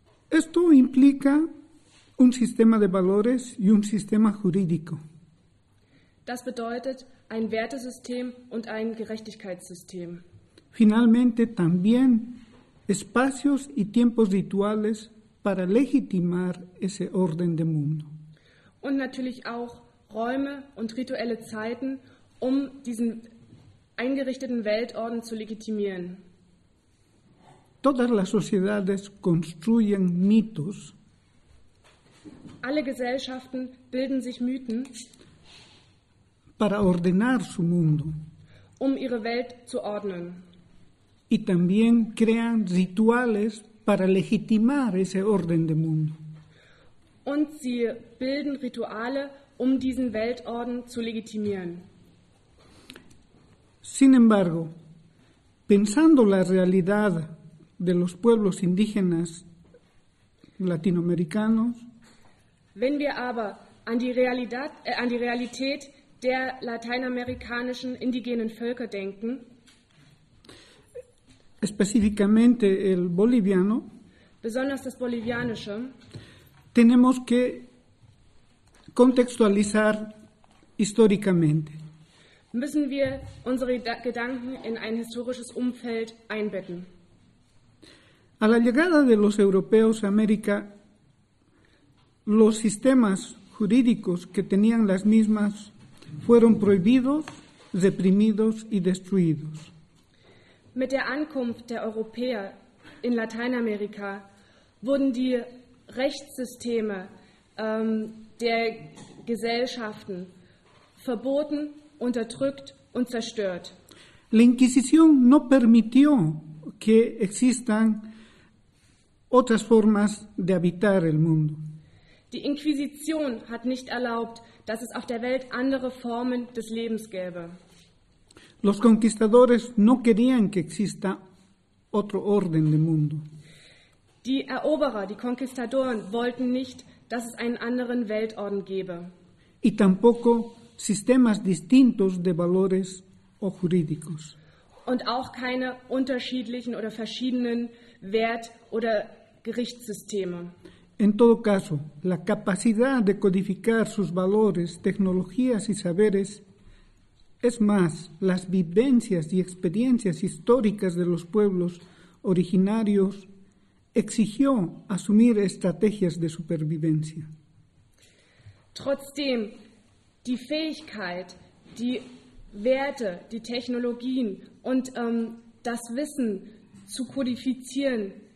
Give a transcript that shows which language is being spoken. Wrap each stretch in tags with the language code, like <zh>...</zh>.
<es>Esto implica un sistema de valores y un sistema jurídico.</es> <de>Das bedeutet ein Wertesystem und ein Gerechtigkeitssystem.</de> <es>Finalmente también espacios y tiempos rituales para legitimar ese orden de mundo.</es> <de>Und natürlich auch Räume und rituelle Zeiten, um diesen eingerichteten Weltorden zu legitimieren.</de> <es>Todas las sociedades construyen mitos.</es> <de>Alle Gesellschaften bilden sich Mythen.</de> <es>Para ordenar su mundo.</es> <de>Um ihre Welt zu ordnen.</de> <es>Y también crean rituales para legitimar ese orden de mundo.</es> <de>Und sie bilden Rituale, um diesen Weltorden zu legitimieren.</de> <es>Sin embargo, pensando la realidad de los pueblos indígenas latinoamericanos,</es> <de>wenn wir aber an die Realität der lateinamerikanischen indigenen Völker denken,</de> <es>específicamente el boliviano,</es> <de>besonders das bolivianische,</de> <es>tenemos que contextualizar históricamente.</es> <de>Müssen wir unsere Gedanken in ein historisches Umfeld einbetten.</de> <es>A la llegada de los europeos a América, los sistemas jurídicos que tenían las mismas fueron prohibidos, reprimidos y destruidos.</es> <de>Mit der Ankunft der Europäer in Lateinamerika wurden die Rechtssysteme der Gesellschaften verboten, unterdrückt und zerstört.</de> <es>La Inquisición no permitió que existan otras formas de habitar el mundo.</es> <de>Die Inquisition hat nicht erlaubt, dass es auf der Welt andere Formen des Lebens gäbe.</de> <es>Los conquistadores no querían que exista otro orden de mundo.</es> <de>Die Eroberer, die Konquistadoren, wollten nicht, dass es einen anderen Weltorden gäbe.</de> <es>Y tampoco sistemas distintos de valores o jurídicos.</es> <de>Und auch keine unterschiedlichen oder verschiedenen Wert- oder Gerichtssysteme.</de> <es>En todo caso, la capacidad de codificar sus valores, tecnologías y saberes es más las vivencias y experiencias históricas de los pueblos originarios exigió asumir estrategias de supervivencia.</es> <de>Trotzdem, die Fähigkeit, die Werte, die Technologien und das Wissen zu kodifizieren,</de>